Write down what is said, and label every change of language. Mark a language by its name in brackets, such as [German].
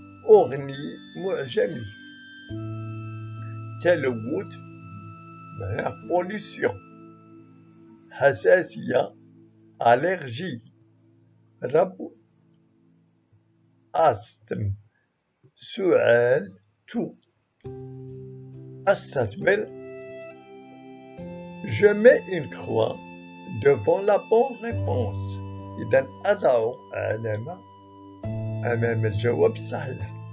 [Arabic] أغني معجمي، تلوث معناها بوليسيون، حساسية أليرجي، ربو أستم، سعال تو. أستثمر [French] je mets une croix devant la bonne réponse. [Arabic] إذا أضع علامة أمام الجواب الصحيح.